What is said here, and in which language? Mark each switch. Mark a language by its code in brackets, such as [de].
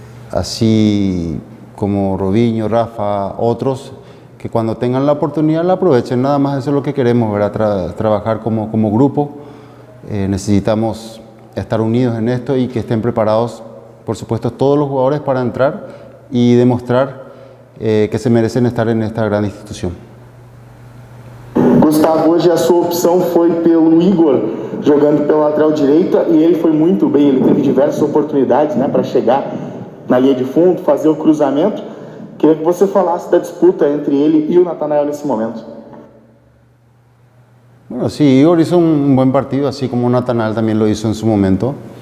[es] Así como Robinho, Rafa, otros, que cuando tengan la oportunidad la aprovechen. Nada más, eso es lo que queremos, ¿verdad? Trabajar como grupo. Necesitamos estar unidos en esto y que estén preparados, por supuesto, todos los jugadores para entrar y demostrar que se merecen estar en esta gran institución. [pt] Gustavo, hoje a sua opção foi pelo Igor, jogando pela lateral direita, e ele foi muito bem, ele teve diversas oportunidades, né, para chegar na linha de fundo, fazer o cruzamento. Queria que você falasse da disputa entre ele e o Natanael nesse momento. [es] Bueno, sí, Igor hizo un buen partido, así como Natanael también lo hizo en su momento.